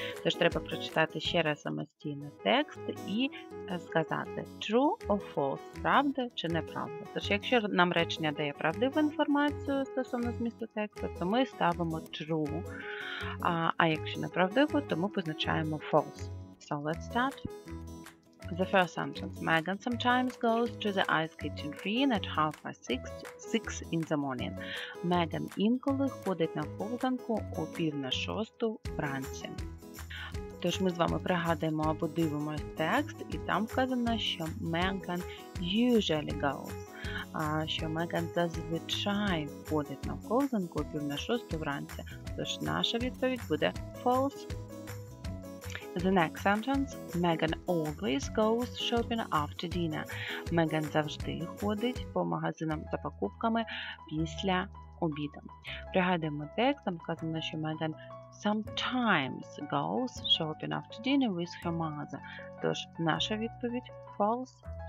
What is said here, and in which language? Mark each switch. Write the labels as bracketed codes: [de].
[uk] Тож треба прочитати ще раз самостійно текст і сказати [en] true or false, [uk] правда чи неправда. Тож якщо нам речення дає правдиву інформацію стосовно змісту тексту, то ми ставимо true, а якщо неправдиву, то ми позначаємо false. [en] So let's start. The first sentence, Megan sometimes goes to the ice skating rink at 6:30 in the morning. [uk] Megan інколи ходить на ковзанку о 5:30 вранці. Тож ми з вами пригадуємо або дивимося текст, і там вказано, що [en] Megan usually goes, [uk] що Megan зазвичай ходить на ковзанку о 5:30 вранці. Тож наша відповідь буде false. [en] The next sentence, Megan always goes shopping after dinner. [uk] Megan завжди ходить по магазинам за покупками після обіду. Пригадуємо текст, там вказано, що [en] Megan sometimes goes shopping after dinner with her mother. [uk] Тож наша відповідь false.